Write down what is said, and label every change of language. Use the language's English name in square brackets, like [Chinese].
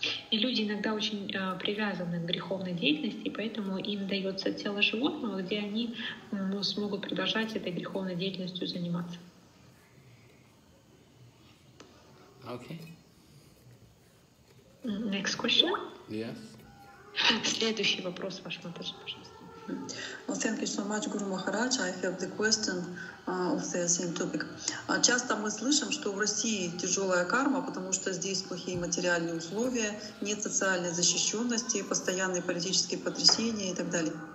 [Russian] И люди иногда очень привязаны к греховной деятельности, поэтому им дается тело животного, где они смогут продолжать этой греховной деятельностью заниматься. [English] Okay. Next question. Yes. [Russian] Следующий вопрос, ваш Матаджи, пожалуйста. [English] Well, thank you so much, Guru Maharaj. I have the question of the same topic. [Russian] Часто мы слышим, что в России тяжелая карма, потому что здесь плохие материальные условия, нет социальной защищенности, постоянные политические потрясения и так далее.